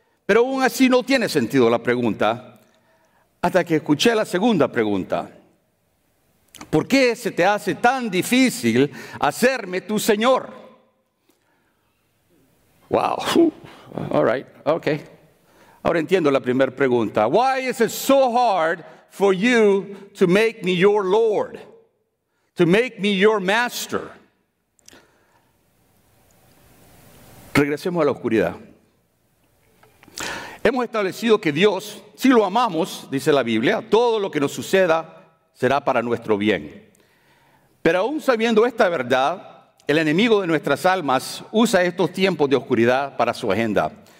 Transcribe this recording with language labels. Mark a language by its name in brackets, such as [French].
[Spanish] Pero aún así no tiene sentido la pregunta, hasta que escuché la segunda pregunta. ¿Por qué se te hace tan difícil hacerme tu Señor? [English] Wow, all right, okay. [Spanish] Ahora entiendo la primera pregunta. [English] Why is it so hard for you to make me your Lord, to make me your master? [Spanish] Regresemos a la oscuridad. Hemos establecido que Dios, si lo amamos, dice la Biblia, todo lo que nos suceda será para nuestro bien. Pero aún sabiendo esta verdad, el enemigo de nuestras almas usa estos tiempos de oscuridad para su agenda.